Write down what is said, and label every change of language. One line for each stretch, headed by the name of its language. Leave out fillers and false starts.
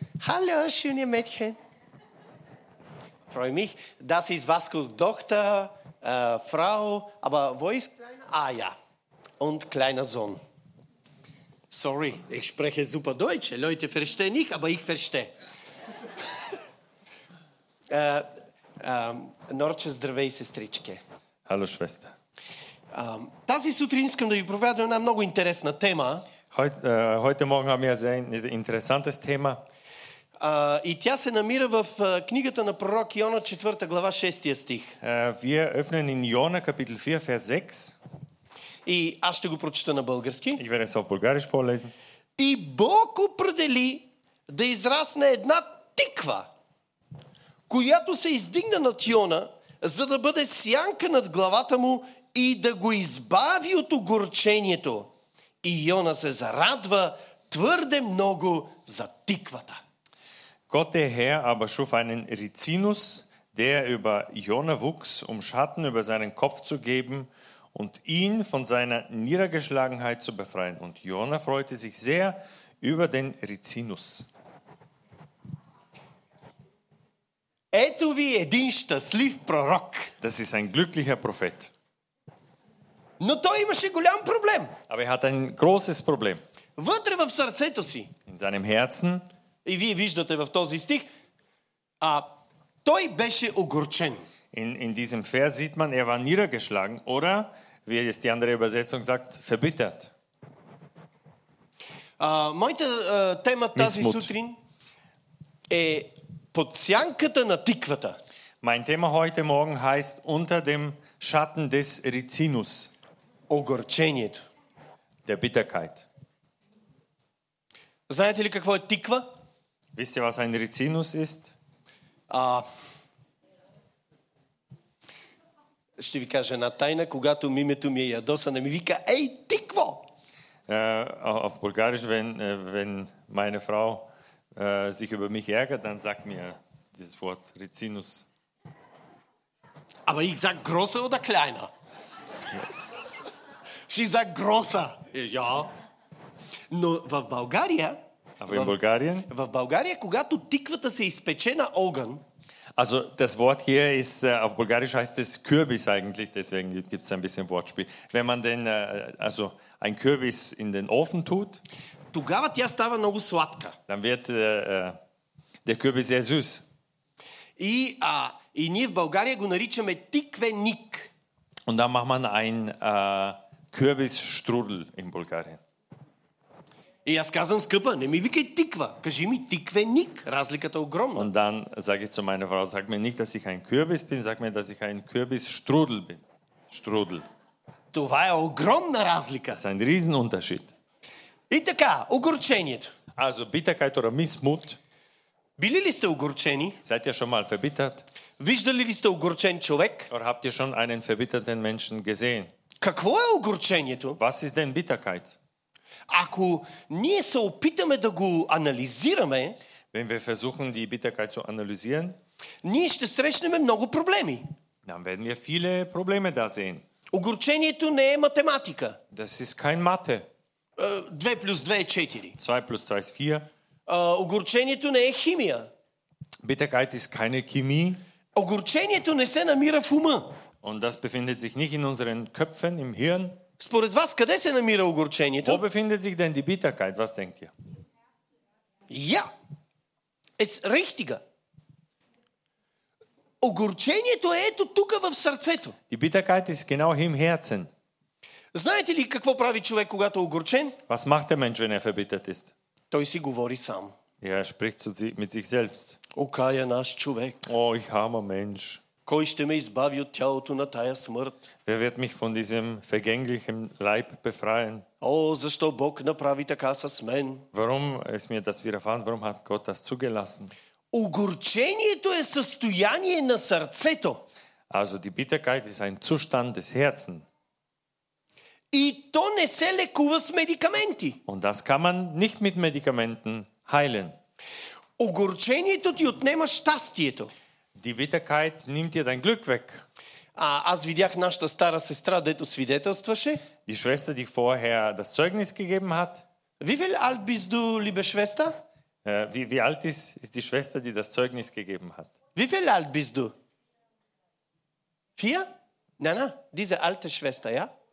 German: Hallo, schöne Mädchen. Freue mich. Das ist Vasco Tochter, Frau, aber wo ist... Ah ja, und kleiner Sohn. Sorry, ich spreche super Deutsch. Leute verstehen nicht, aber ich verstehe.
Bulgarian: Norče, здравей, сестричке.
German: Hallo, Schwester.
Bulgarian: Тази сутрин искам да ви проведа една много интересна тема.
German: Heute Morgen haben wir ein sehr interessantes Thema.
Bulgarian: И тя се намира в книгата на пророк Йона, 4 глава, 6 стих.
German: Wir öffnen in Jona, Kapitel 4, Vers 6.
Bulgarian: И аз ще го прочета на български.
German: Ich werde es auf Bulgarisch vorlesen.
Bulgarian: И Бог определи да израсне една тиква, която се издигна над Йона, за да бъде сянка над главата му и да го избави от огорчението. И Йона се зарадва твърде много за тиквата.
German: Gott der Herr aber schuf einen Rizinus, der über Jona wuchs, um Schatten über seinen Kopf zu geben und ihn von seiner Niedergeschlagenheit zu befreien. Und Jona freute sich sehr über den Rizinus.
Bulgarian: Ето ви един щастлив пророк.
German: Das ist ein glücklicher Prophet.
Bulgarian: Но той имаше голям проблем.
German: Aber er hat ein großes Problem.
Bulgarian: Вътре в сърцето си.
German: In seinem Herzen.
Bulgarian: И вие виждате в този стих, той беше огорчен.
German: In diesem Vers sieht man, er war niedergeschlagen, oder wie es die andere Übersetzung sagt, verbittert.
Bulgarian: Моята тема тази сутрин е под сянката на тиквата.
German: Mein Thema heute Morgen heißt unter dem Schatten des Rizinus.
Bulgarian: Огорчението.
German: Der Bitterkeit.
Bulgarian: Знаете ли какво е тиква?
German: Wisst ihr, was ein Rizinus ist?
Bulgarian: Ще ви кажа една тайна, когато мимето ми е ядоса, не ми вика, ей, тикво!
German: Auf Bulgarisch, wenn meine Frau sich über mich ärgert, dann sagt mir dieses Wort Rizinus. Aber ich sag großer oder kleiner? Sie sagt großer. Ja.
Bulgarian: Но в България, в България, когато тиквата се изпече на огън,
German: also das Wort hier ist auf Bulgarisch heißt es Kürbis eigentlich, deswegen gibt es ein bisschen Wortspiel. Wenn man den also ein Kürbis in den Ofen tut,
Bulgarian: тогава тя става много сладка.
German: Dann wird der Kürbis sehr süß.
Bulgarian: И ние в България го наричаме тиквеник.
German: Und dann macht man ein Kürbisstrudel in Bulgarien.
Bulgarian: И аз казвам, скъпа, не ми викай тиква, кажи ми тиквеник, разликата е огромна.
German: Und dann sage ich zu meiner Frau, sag mir nicht, dass ich ein Kürbis bin, sag mir, dass ich ein Kürbisstrudel bin. Strudel.
Bulgarian: Това е огромна разлика.
German: Das ist ein Riesenunterschied.
Bulgarian: И така, огорчението.
German: Also Bitterkeit oder Missmut.
Bulgarian: Били ли сте огорчени?
German: Seid ihr schon mal verbittert?
Bulgarian: Виждали ли сте огорчен човек?
German: Oder habt ihr schon einen verbitterten Menschen gesehen?
Bulgarian: Какво е огорчението?
German: Was ist denn Bitterkeit?
Bulgarian: Ако ние се опитаме да го анализираме,
German: wenn wir versuchen die Bitterkeit zu analysieren,
Bulgarian: ние ще срещнем много проблеми.
German: Dann werden wir viele Probleme da sehen.
Bulgarian: Огорчението не е математика.
German: Das ist kein Mathe.
Bulgarian: 2 плюс 2 е 4.
German: 2 плюс 2 ist 4.
Bulgarian: Огорчението не е химия.
German: Bitterkeit ist keine Chemie.
Bulgarian: Огорчението не се намира в ума.
German: Und das befindet sich nicht in unseren Köpfen, im Hirn.
Bulgarian: Според вас, къде се намира огорчението?
German: Wo befindet sich denn die Bitterkeit? Was denkt ihr? Ja, es richtiger.
Bulgarian: Огорчението е ето тук в сърцето.
German: Die Bitterkeit ist genau im Herzen.
Bulgarian: Знаете ли какво прави човек, когато е огорчен?
German: Was macht der Mensch, wenn er verbittert ist?
Bulgarian: Той си говори сам.
German: Er spricht zu sich, mit sich selbst.
Bulgarian: Okay, наш човек.
German: Oh, ich armer Mensch.
Bulgarian: Кой ще ме избави от тялото на тая смърт?
German: Wer wird mich von diesem vergänglichen Leib befreien?
Bulgarian: Oh, защо Бог направи така с мен?
German: Warum ist mir das widerfahren? Warum hat Gott das zugelassen?
Bulgarian: Огорчението е състояние на сърцето.
German: Also die Bitterkeit ist ein Zustand des Herzens.
Bulgarian: И то не се лекува с медикаменти.
German: Und das kann man nicht mit Medikamenten heilen.
Bulgarian: Огорчението ти отнема щастието.
German: Die Bitterkeit nimmt dir dein Glück weg.
Bulgarian: Аз видях нашата стара сестра, дето свидетелстваше.
German: Die Schwester, die vorher das Zeugnis gegeben hat. Wie viel alt bist du, liebe Schwester? Wie alt ist die Schwester, die das Zeugnis gegeben hat? Wie viel alt bist du? 4? Nein, diese alte Schwester, ja?